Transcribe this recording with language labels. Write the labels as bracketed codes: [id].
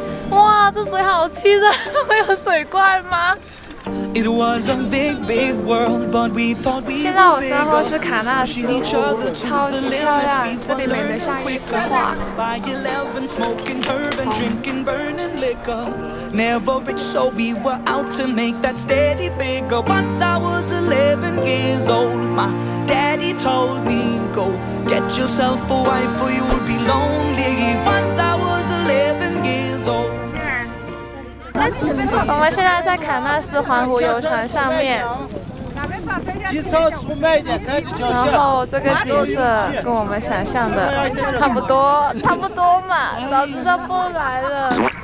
[zh] 哇，这水好清的，会有水怪吗？ [en] It was a big, big world, but we thought we were bigger. [zh] 现在我身后是卡纳斯湖，超级漂亮，这里美得像一幅画。 [en] By 11, smoking bourbon, drinking burning liquor. Never rich, so we were out to make that steady figure. Once I was 11 years old, my daddy told me, go get yourself a wife or you'll be lonely. Once I was 11 years old. [zh] 我们现在在卡纳斯环湖游船上面，然后这个景色跟我们想象的差不多，差不多嘛，早知道不来了。